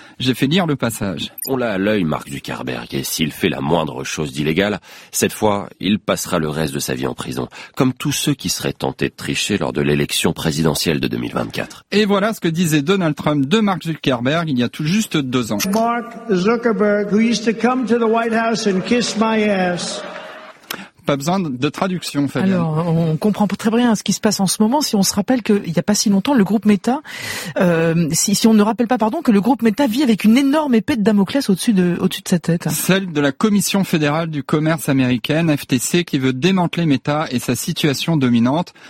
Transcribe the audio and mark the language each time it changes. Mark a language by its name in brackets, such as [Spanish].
[French] J'ai fait lire le passage. On l'a à l'œil, Mark Zuckerberg, et s'il fait la moindre chose d'illégale, cette fois, il passera le reste de sa vie en prison, comme tous ceux qui seraient tentés de tricher lors de l'élection présidentielle de 2024. Et voilà ce que disait Donald Trump de Mark Zuckerberg il y a tout juste 2 ans. [English] Mark Zuckerberg, who used to come to the White House and kiss my ass. [French] Pas besoin de traduction, Fabien. Alors, on comprend très bien ce qui se passe en ce moment. Si on se rappelle qu'il n'y a pas si longtemps, le groupe Meta, que le groupe Meta vit avec une énorme épée de Damoclès au-dessus de sa tête. Celle de la Commission fédérale du commerce américaine, FTC, qui veut démanteler Meta et sa situation dominante.